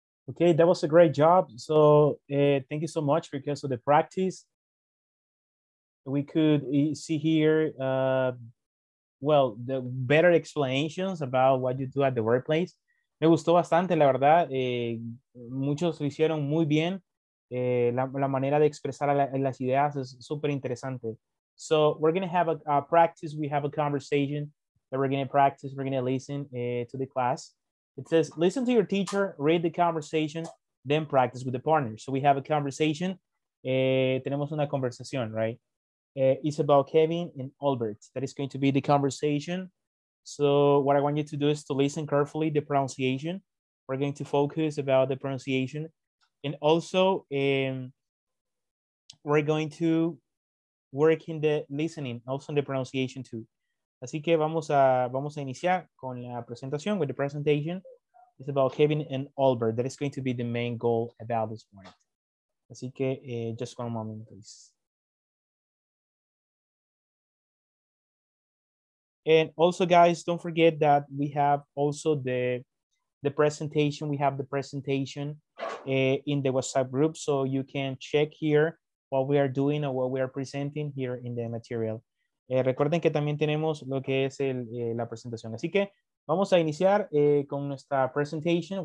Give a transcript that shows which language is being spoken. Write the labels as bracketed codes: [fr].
[en] Okay, that was a great job. So thank you so much because of the practice. We could see here, well, the better explanations about what you do at the workplace. [es] Me gustó bastante, la verdad. Muchos lo hicieron muy bien. La manera de expresar las ideas es súper interesante. [en] So we're going to have a practice. We have a conversation that we're going to practice. We're going to listen to the class. It says, listen to your teacher, read the conversation, then practice with the partner. So we have a conversation. [es] Tenemos una conversación, [en] right? It's about Kevin and Albert. That is going to be the conversation. So what I want you to do is to listen carefully the pronunciation. We're going to focus about the pronunciation. And also, we're going to work in the listening, also in the pronunciation too. [es] Así que vamos a iniciar con la presentación, [en] with the presentation. It's about Kevin and Albert. That is going to be the main goal about this morning. [es] Así que [en] just one moment, please. And also, guys, don't forget that we have also the presentation. We have the presentation in the WhatsApp group. So you can check here what we are doing or what we are presenting here in the material. [es] Recuerden que también tenemos lo que es la presentación. Así que vamos a iniciar con nuestra presentation.